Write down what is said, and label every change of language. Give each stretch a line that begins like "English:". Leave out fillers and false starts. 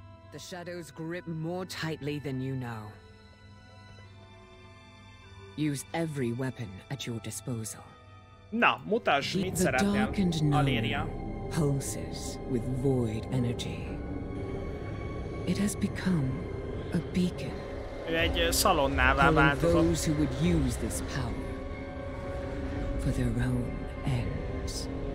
English: The shadows grip more tightly than you know. Use every weapon at your disposal.
Hungarian: Na, mutasd, mit szeretnél, Aléria.
English: Pulses with void energy. It has become a beacon.
Hungarian: Egy szalonnává változott.
English: For those who would use this power for their own ends.